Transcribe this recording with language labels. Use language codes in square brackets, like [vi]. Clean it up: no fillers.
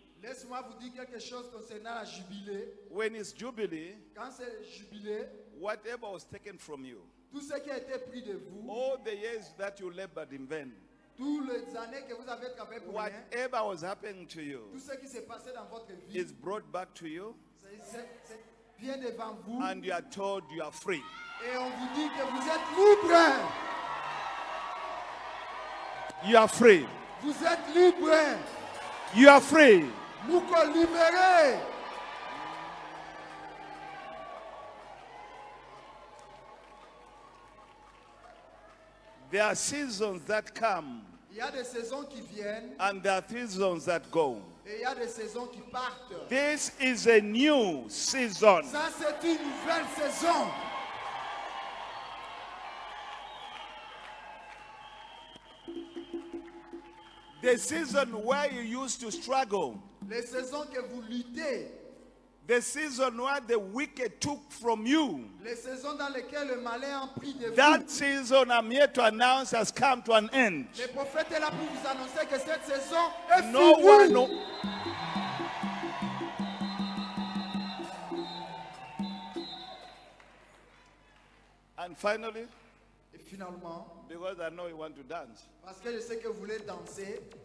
[fr] Laisse-moi vous dire quelque chose concernant la Jubilee. [en] When it's Jubilee, [fr] quand c'est Jubilee, [en] whatever was taken from you, [fr] tout ce qui a été pris de vous, [en] all the years that you labored in vain, [fr] toutes les années que vous avez travaillé pour [en] whatever [fr] rien, [en] was happening to you, [fr] tout ce qui s'est passé dans votre vie, [en] is brought back to you, [fr] c'est bien devant vous, [en] and you are told you are free. [fr] Et on vous dit que vous êtes libre. [en] You are free. [fr] Vous êtes libre. [en] You are free. [fr] Nous qu'on libéré. [en] There are seasons that come. [fr] Il y a des saisons qui viennent. [en] And there are seasons that go. [fr] Et il y a des saisons qui partent. [en] This is a new season. [fr] Ça c'est une nouvelle saison. [en] The season where you used to struggle. [fr] Les saisons que vous luttez. [en] The season where the wicked took from you. [fr] Les saisons dans lesquelles le malin a pris de vous. [en] That season I'm here to announce has come to an end. [fr] Le prophète est là pour vous annoncer que cette saison est finie. [en] No one knows. And finally, [fr] et finalement, [en] because I know you want to dance, [fr] parce que je sais que vous voulez danser,